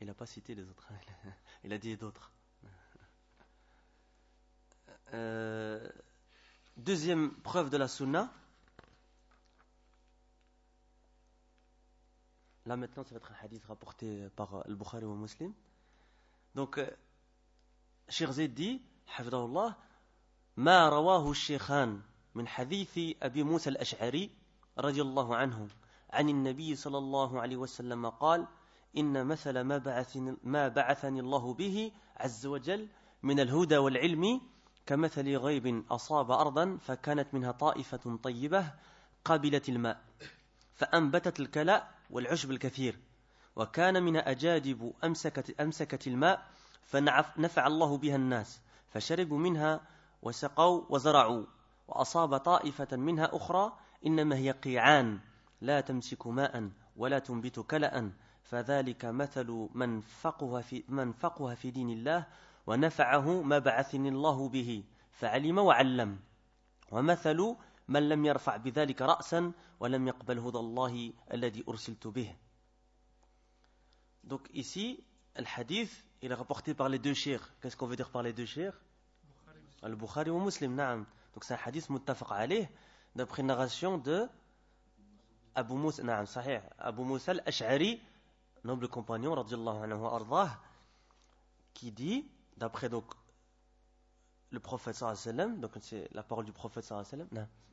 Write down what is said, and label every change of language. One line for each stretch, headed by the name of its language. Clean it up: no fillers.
French: Il n'a pas cité les autres, il a dit d'autres. Deuxième preuve de la sunna. Là maintenant, ça va être un hadith rapporté par le Bukhari ou le Muslim. Donc, Cheikh Zayd dit,
Arabic: Hafidhahullah, ma rawahu shaykhan min hadithi Abi Musa al-Ash'ari, radiallahu anhu, ani al-Nabi sallallahu alayhi wa sallam, qal, inna mathala ma ba'athani Allah bihi, azza wa jal, min al-huda wal-ilmi, كمثل غيب أصاب أرضا فكانت منها طائفة طيبة قابلت الماء فأنبتت الكلاء والعشب الكثير وكان منها أجادب أمسكت الماء فنفع الله بها الناس فشربوا منها وسقوا وزرعوا وأصاب طائفة منها أخرى إنما هي قيعان لا تمسك ماء ولا تنبت كلاء فذلك مثل من فقها في دين الله ونفعه ما بعثني الله به فعلم وعلم ومثل من لم يرفع بذلك رأسا ولم يقبل هدى الله الذي أرسلت به.
French: Donc ici le hadith il est rapporté par les deux sheikh. Qu'est-ce qu'on veut dire par les deux sheikh? Al-Bukhari et Muslim. Naam. Donc c'est un hadith muttafaq alayh d'après narration de Abu Musa. Naam, sahih. Abu Musa al-Ash'ari, noble compagnon radiyallahu anhu arzah, qui dit d'après donc le prophète sallallahu alayhi wa sallam, donc c'est la parole du prophète sallallahu alayhi wa sallam. Non.